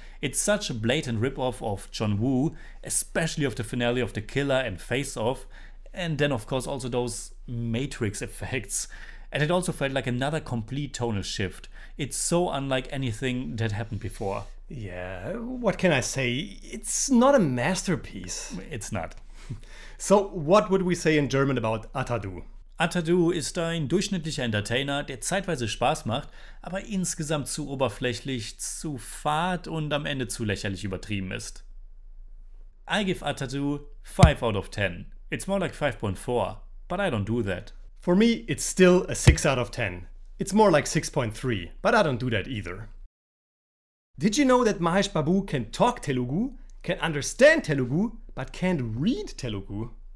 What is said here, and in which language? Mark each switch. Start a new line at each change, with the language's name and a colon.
English: It's such a blatant ripoff of John Woo, especially of the finale of The Killer and Face Off, and then of course also those Matrix effects. And it also felt like another complete tonal shift. It's so unlike anything that happened before. Yeah, what can I say? It's not a masterpiece. It's not. So, what would we say in German about Athadu?
German: Athadu ist ein durchschnittlicher Entertainer, der zeitweise Spaß macht, aber insgesamt zu oberflächlich, zu fad und am Ende zu lächerlich übertrieben ist.
English: I give Athadu 5 out of 10. It's more like 5.4, but I don't do that. For me, it's still a 6 out of 10. It's more like 6.3, but I don't do that either. Did you know that Mahesh Babu can talk Telugu, can understand Telugu, but can't read Telugu?